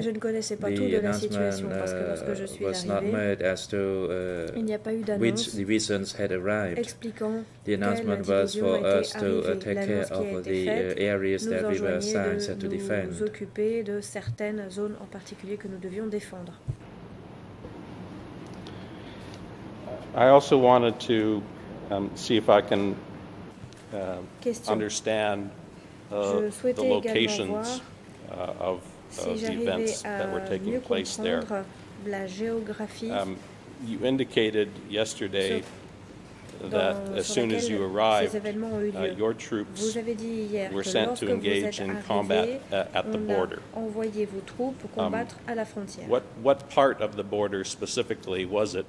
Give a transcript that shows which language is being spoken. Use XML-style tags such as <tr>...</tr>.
<fr>je ne connaissais pas tout de la situation parce que lorsque je suis arrivé, il n'y a pas eu d'annonce expliquant expliquant</fr> <en>the announcement was for us to take care of the areas that we were assigned to defend.</en> <fr>Nous occuper de certaines zones en particulier que nous devions défendre.</fr> <en>I also wanted to see if I can understand the locations of the events that were taking place there.</en> <fr>La géographie.</fr> <en>You indicated yesterday that as soon as you arrived, your troops</en> <fr>vous avez dit hier</fr> <en>were sent to engage in combat at the border.</en> <fr>A envoyé vos troupes combattre à la frontière.</fr> <en>What part of the border specifically was it</en>